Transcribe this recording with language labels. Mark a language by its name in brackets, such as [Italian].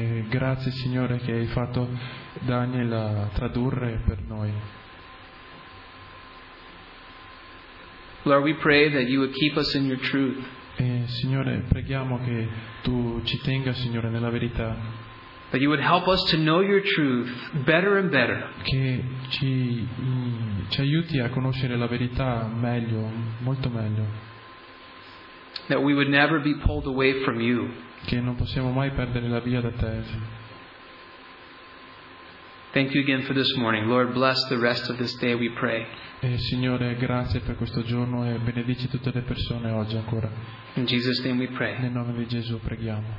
[Italian] Grazie, Signore, che hai fatto Daniel a tradurre per noi. [English] Lord, we pray that you would keep us in your truth. [Italian] Signore, preghiamo che tu ci tenga, Signore, nella verità. [English] That you would help us to know your truth better and better. [Italian] Che ci aiuti a conoscere la verità meglio, molto meglio. [English] That we would never be pulled away from you. [Italian] Che non possiamo mai perdere la via da te. [English] Thank you again for this morning. Lord, bless the rest of this day, we pray. [Italian] Signore, grazie per questo giorno e benedici tutte le persone oggi ancora. [English] In Jesus' name we pray. [Italian] Nel nome di Gesù preghiamo.